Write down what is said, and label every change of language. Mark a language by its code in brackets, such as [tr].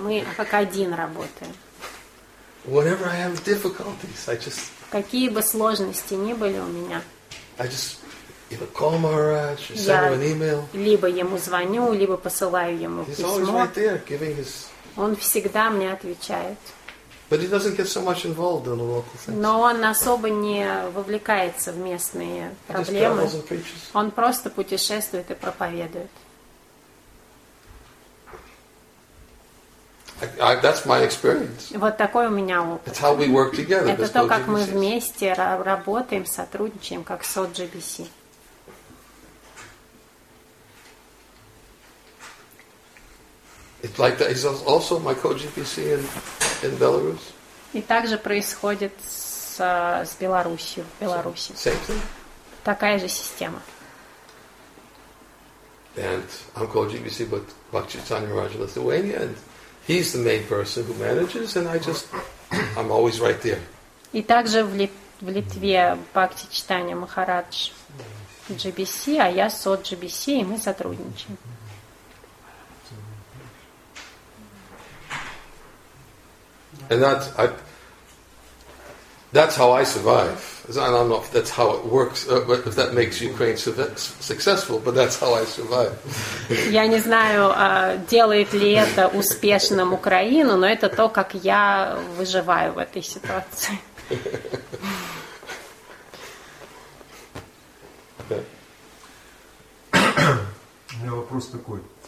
[ru] Мы как один работаем. [en] Whatever I have difficulties, I just. [ru] Какие бы сложности ни были у меня. [en] I just either call Maharaj, send him an email. [ru] Либо ему звоню, либо посылаю ему письмо. [en] He's always right there, giving his. [ru] Он всегда мне отвечает. [en] But he doesn't get so much involved in the local things. [ru] Но он особо не вовлекается в местные проблемы. Он просто путешествует и проповедует. [en] That's my experience. [ru] Вот такой у меня опыт. [en] It's how we work together. [ru] Это то, как мы вместе работаем, сотрудничаем, как со-GBC. [en] It's like that. He's also my co-GBC in Belarus. [ru] И также происходит с Белоруссией в Беларуси. Такая же система. [en] And I'm called GBC, but Bhakti Chaitanya Maharaj in Lithuania, and he's the main person who manages, and I'm always right there. [ru] И также в Литве Бхакти Чайтанья Махарадж GBC, а я со-GBC, и мы сотрудничаем. [en] And that's how I survive. And I'm not, that's how it works, if that makes Ukraine successful, but that's how I survive. [ru] Я не знаю, делает ли это успешным Украину, но это то, как я выживаю в этой ситуации. У меня вопрос такой.